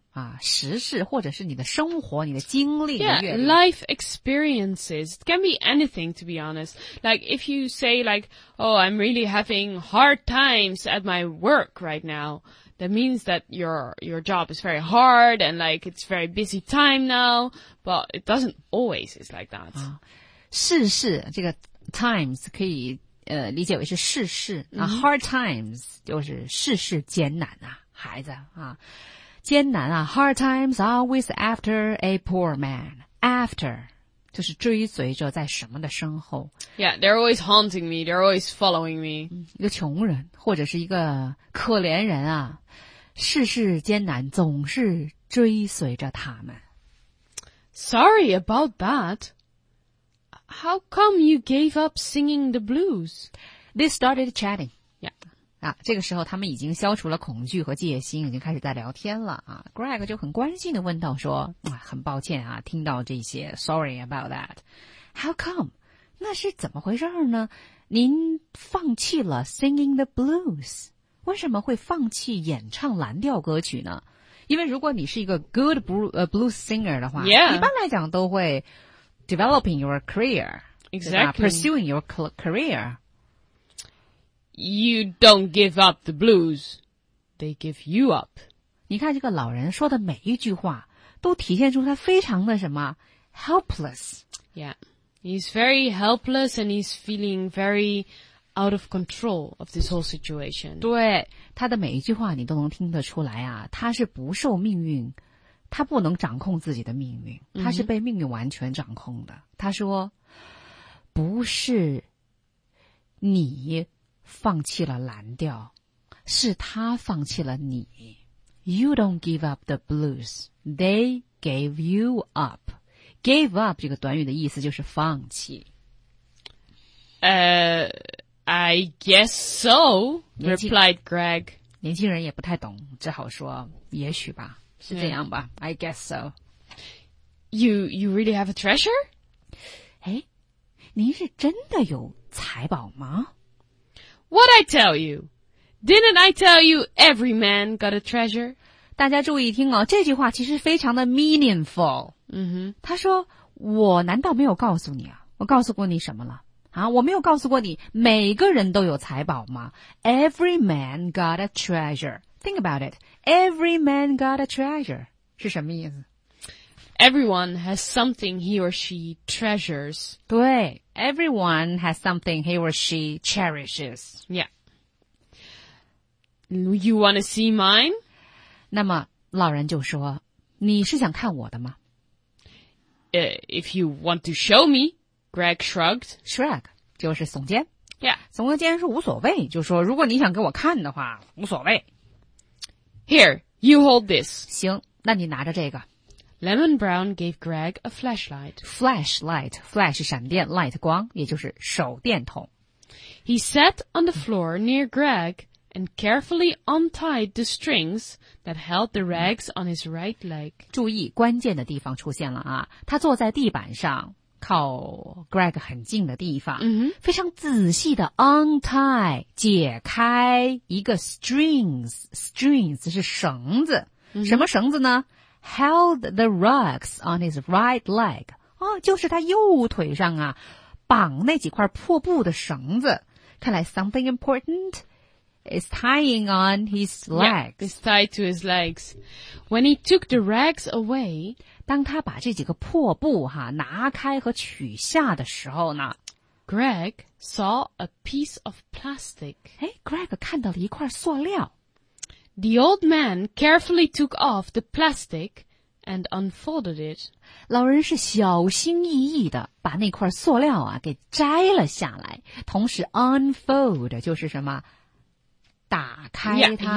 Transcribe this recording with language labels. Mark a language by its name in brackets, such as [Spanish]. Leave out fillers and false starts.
[Chinese] 啊，时事或者是你的生活，你的经历。 [English] Yeah, life experiences. It can be anything, to be honest. Like, if you say like, oh, I'm really having hard times at my work right now, that means that your job is very hard and like, it's very busy time now, but it doesn't always is like that. [Chinese] 啊，时事，这个 times 可以理解为是时事。那 hard times 就是时事艰难啊，孩子啊。艰难啊 [English] ,hard times always after a poor man. [Chinese] After, 就是追随着在什么的身后。 [English] Yeah, they're always haunting me, they're always following me. [Chinese] 一个穷人或者是一个可怜人啊世事艰难总是追随着他们。 [English] Sorry about that. How come you gave up singing the blues? They started chatting. Yeah. [Chinese] 啊，这个时候他们已经消除了恐惧和戒心，已经开始在聊天了啊。 Greg 就很关心地问到说：“啊，很抱歉啊，听到这些 ， [English] Sorry about that. How come? [Chinese] 那是怎么回事呢？您放弃了 [English] singing the blues， [Chinese] 为什么会放弃演唱蓝调歌曲呢？因为如果你是一个 [English] good blues singer [Chinese] 的话， [English] yeah. [Chinese] 一般来讲都会 [English] developing your career， exactly pursuing your career。” You don't give up the blues, they give you up. [Chinese] 你看这个老人说的每一句话都体现出他非常的什么 helpless. [English] Yeah, he's very helpless and he's feeling very out of control of this whole situation. [Chinese] 对，他的每一句话你都能听得出来啊，他是不受命运，他不能掌控自己的命运，他是被命运完全掌控的。他说，不是你放弃了蓝调，是他放弃了你。 You don't give up the blues, they gave you up. Gave up 这个短语的意思就是放弃。 [English] I guess so, replied Greg. [Chinese] 年轻人也不太懂，只好说也许吧，是这样吧。 [English] Yeah. I guess so. You really have a treasure? [Chinese] 诶，您是真的有财宝吗？ [English] What I tell you? Didn't I tell you every man got a treasure? [Chinese] 大家注意听哦，这句话其实非常的 meaningful. 嗯哼，他说，我难道没有告诉你啊？我告诉过你什么了？啊，我没有告诉过你每个人都有财宝吗？ [English] Every man got a treasure. Think about it. Every man got a treasure. [Chinese] 是什么意思？ [English] Everyone has something he or she treasures. 对。Everyone has something he or she cherishes. Yeah. You want to see mine? [Chinese] 那么老人就说，你是想看我的吗？ [English] If you want to show me, Greg shrugged. [Chinese] Shrug, 就是耸肩。 [English] Yeah. [Chinese] 耸肩是无所谓，就说如果你想给我看的话，无所谓。 [English] Here, you hold this. [Chinese] 行，那你拿着这个。 [English] Lemon Brown gave Greg a flashlight. [Chinese] Flashlight, flash 闪电 ,light 光也就是手电筒。 [English] He sat on the floor near Greg and carefully untied the strings that held the rags on his right leg. [Chinese] 注意关键的地方出现了啊，他坐在地板上靠 Greg 很近的地方、 mm-hmm. 非常仔细的 untie 解开一个 strings strings 是绳子、 mm-hmm. 什么绳子呢 [English] held the rugs on his right leg、 [Chinese] 哦、就是他右腿上啊绑那几块破布的绳子看来 [English] something important is tying on his legs yeah, it's tied to his legs when he took the rags away [Chinese] 当他把这几个破布哈拿开和取下的时候呢 [English] Greg saw a piece of plastic [Chinese] 诶 Greg 看到了一块塑料 [English] the old man carefully took off the plasticand unfolded it. [Chinese] 老人是小心翼翼的把那块塑料啊给摘了下来同时 unfold 就是什么打开它